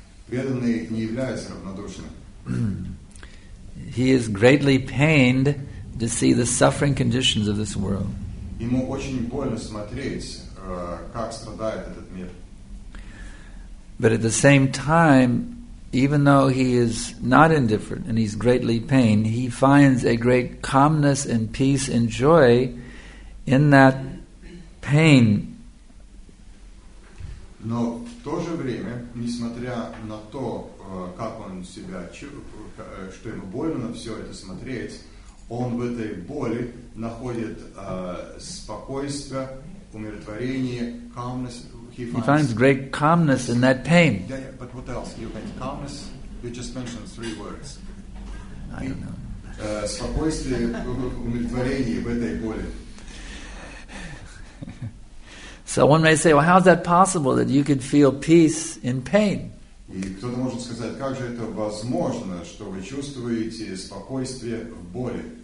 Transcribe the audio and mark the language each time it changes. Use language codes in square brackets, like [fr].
[ru] Преданный не является равнодушным. [en] He is greatly pained to see the suffering conditions of this world. [ru] Ему очень больно смотреть, как страдает этот мир. [en] But at the same time, even though he is not indifferent and he's greatly pained, he finds a great calmness and peace and joy in that pain. [ru] Но в то же время, несмотря на то, как он себя что ему больно на все это смотреть, он в этой боли находит спокойствие, умиротворение, [en] calmness. He finds great calmness in that pain. Yeah, but what else? You mean calmness? You just mentioned three words. I don't know. [ru] Спокойствие, умиротворение в этой боли. [en] So one may say, well, how is that possible that you could feel peace in pain? [ru] И кто-то может сказать, как же это возможно, что вы чувствуете спокойствие в боли?